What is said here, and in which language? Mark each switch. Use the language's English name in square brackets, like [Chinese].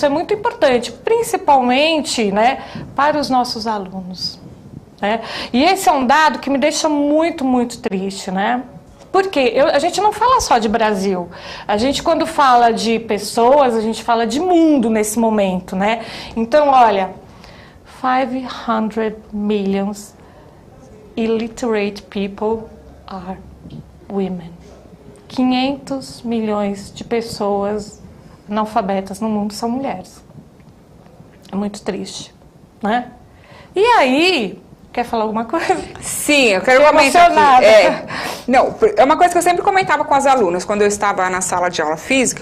[Portuguese] Isso é muito importante, principalmente, né, para os nossos alunos, né? E esse é um dado que me deixa muito, muito triste, né? Porque a gente não fala só de Brasil. A gente, quando fala de pessoas, a gente fala de mundo nesse momento, né? Então, olha, [English] 500 million illiterate people are women. [Portuguese] 500 milhões de pessoas analfabetas no mundo são mulheres. É muito triste, né? E aí, quer falar alguma coisa? Sim, eu quero Fiquei comentar aqui. emocionada. Não, é uma coisa que eu sempre comentava com as alunas quando eu estava na sala de aula física.